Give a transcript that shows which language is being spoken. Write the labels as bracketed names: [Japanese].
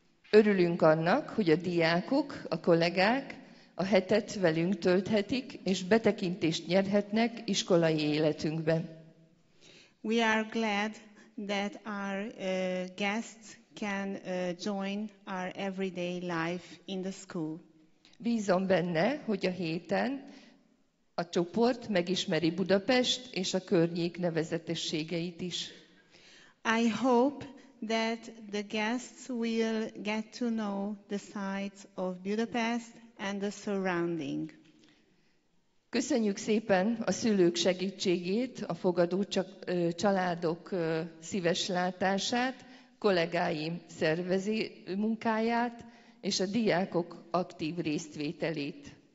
[Hungarian] Örülünk annak, hogy a diákok, a kollégák a hetet velünk tölthetik, és betekintést nyerhetnek iskolai életünkbe. [English] We are glad that our guests can join our everyday life in the school. [Hungarian] Bízom benne, hogy a héten a csoport megismeri Budapest és a környék nevezetességeit is. [English] I hope that the guests will get to know the sights of Budapest and the surrounding. [Hungarian] Köszönjük szépen a szülők segítségét, a fogadó családok szíves látását, kollégáim szervezi munkáját és a diákok aktív résztvételét.